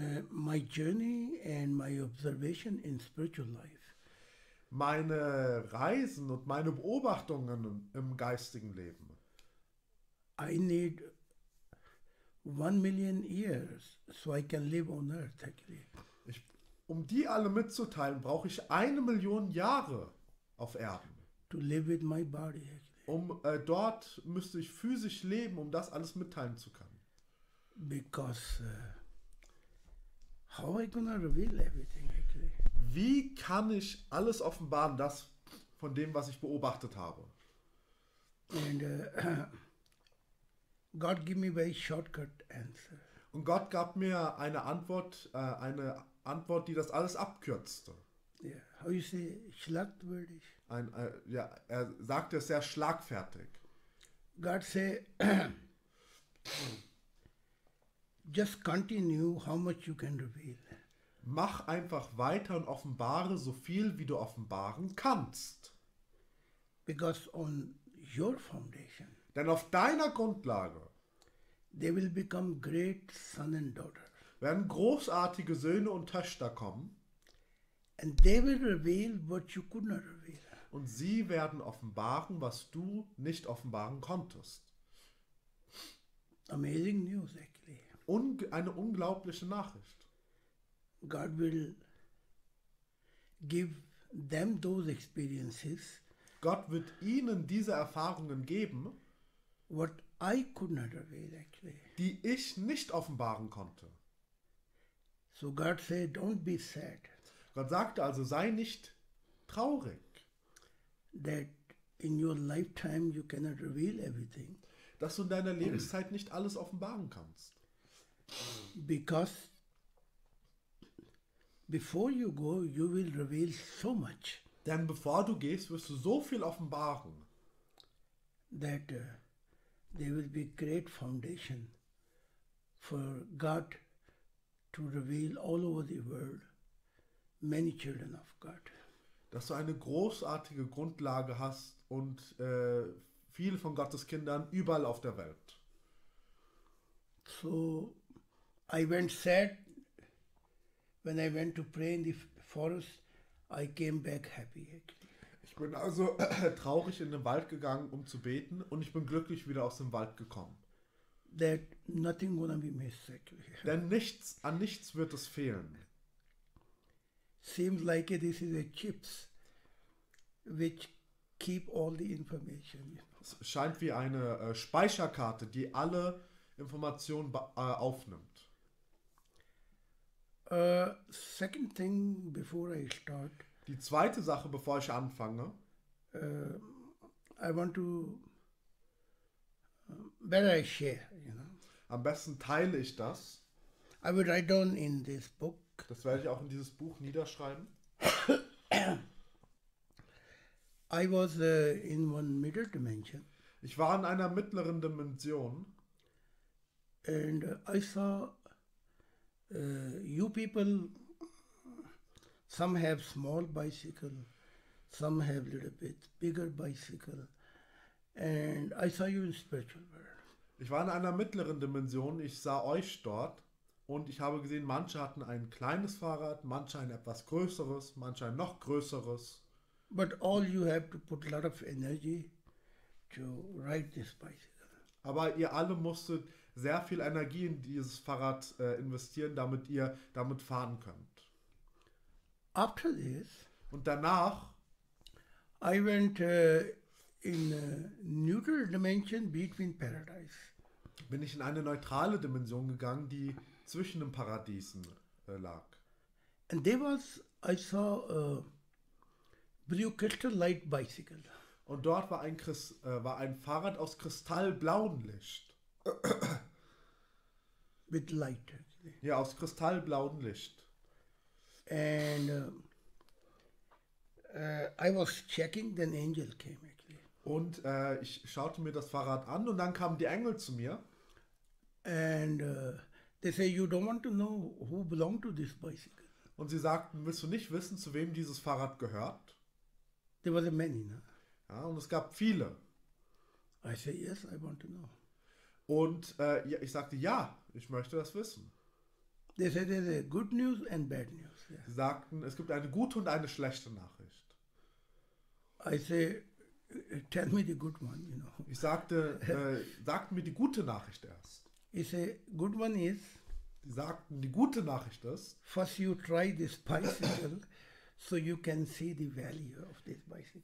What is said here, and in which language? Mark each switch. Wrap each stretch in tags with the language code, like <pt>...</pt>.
<en>my journey and my observation in spiritual life.</en> <de>Meine Reisen und meine Beobachtungen im geistigen Leben.</de> <en>I need 1 million years, so I can live on earth, actually.</en> <de>Um die alle mitzuteilen, brauche ich 1 Million Jahre auf Erden.</de> <en>To live with my body, actually.</en> <de>Dort müsste ich physisch leben, um das alles mitteilen zu können.</de> <en>Because, how I gonna reveal everything, actually?</en> <de>Wie kann ich alles offenbaren, das von dem, was ich beobachtet habe?</de> <en>And, God give me a very shortcut answer.</en> <de>Und Gott gab mir eine Antwort, die das alles abkürzte.</de> <en>Yeah. How you say, schlagwörtlich?</en> <de>Ja, er sagte es sehr schlagfertig.</de> <en>God say, just continue how much you can reveal.</en> <de>Mach einfach weiter und offenbare so viel, wie du offenbaren kannst.</de> <en>Because on your foundation,</en> <de>denn auf deiner Grundlage,</de> <en>they will become great son and daughter.</en> <de>Werden großartige Söhne und Töchter kommen.</de> <en>And they will reveal what you could not reveal.</en> <de>Und sie werden offenbaren, was du nicht offenbaren konntest.</de> <en>Amazing news, actually.</en> <de>Eine unglaubliche Nachricht.</de> <en>God will give them those experiences.</en> <de>Gott wird ihnen diese Erfahrungen geben,</de> <en>what I could not reveal, actually.</en> <de>Die ich nicht offenbaren konnte.</de> <en>So God said, don't be sad.</en> <de>Gott sagte also, sei nicht traurig.</de> <en>That in your lifetime you cannot reveal everything.</en> <de>Dass du in deiner Lebenszeit nicht alles offenbaren kannst.</de> <en>Because before you go, you will reveal so much.</en> <de>Denn bevor du gehst, wirst du so viel offenbaren.</de> <en>That there will be great foundation for God to reveal all over the world many children of God.</en> <de>Dass du eine großartige Grundlage hast und viele von Gottes Kindern überall auf der Welt.</de> <en>So, I went sad. When I went to pray in the forest, I came back happy.</en> <de>Ich bin also traurig in den Wald gegangen, um zu beten, und ich bin glücklich wieder aus dem Wald gekommen.</de> <en>That nothing gonna be missed.</en> <de>Denn nichts, an nichts wird es fehlen.</de> <en>Seems like this is a chips which keep all the information.</en> <de>Es scheint wie eine Speicherkarte, die alle Informationen aufnimmt.</de> <en>Second thing before I start.</en> <de>Die zweite Sache, bevor ich anfange.</de> <en>I want to better I share, you know.</en> <de>Am besten teile ich das.</de> <en>I will write down in this book.</en> <de>Das werde ich auch in dieses Buch niederschreiben.</de> <en>I was in one middle dimension.</en> <de>Ich war in einer mittleren Dimension.</de> <en>And I saw you people, some have small bicycle, some have little bit bigger bicycle. And I saw you in spiritual world.</en> <de>Ich war in einer mittleren Dimension, ich sah euch dort. Und ich habe gesehen, manche hatten ein kleines Fahrrad, manche ein etwas größeres, manche ein noch größeres.</de> <en>But all you have to put a lot of energy to ride this bicycle.</en> <de>Aber ihr alle musstet sehr viel Energie in dieses Fahrrad investieren, damit ihr damit fahren könnt.</de> <en>After this,</en> <de>und danach,</de> <en>I went in a neutral dimension between paradise.</en> <de>Bin ich in eine neutrale Dimension gegangen, die zwischen den Paradiesen lag.</de> <en>And there was, I saw a blue crystal light bicycle.</en> <de>Und dort war ein ein Fahrrad aus kristallblauem Licht.</de> <en>With light, actually.</en> <de>Ja, aus kristallblauem Licht.</de> <en>And I was checking, then angel came, actually.</en> <de>Und ich schaute mir das Fahrrad an und dann kamen die Engel zu mir.</de> <en>And they say, you don't want to know who belong to this bicycle.</en> <de>Und sie sagten, willst du nicht wissen, zu wem dieses Fahrrad gehört?</de> <en>There was a many, ne?</en> <de>Ja, und es gab viele.</de> <en>I say, yes, I want to know.</en> <de>Und ich sagte, ja, ich möchte das wissen.</de> <en>They say, there's a good news and bad news. Yeah.</en> <de>Sie sagten, es gibt eine gute und eine schlechte Nachricht.</de> <en>I say, tell me the good one, you know.</en> <de>Ich sagte, sagten mir die gute Nachricht erst.</de> <en>I say, good one is.</en> <de>Sie sagten, die gute Nachricht ist.</de> <en>First you try this bicycle, so you can see the value of this bicycle.</en>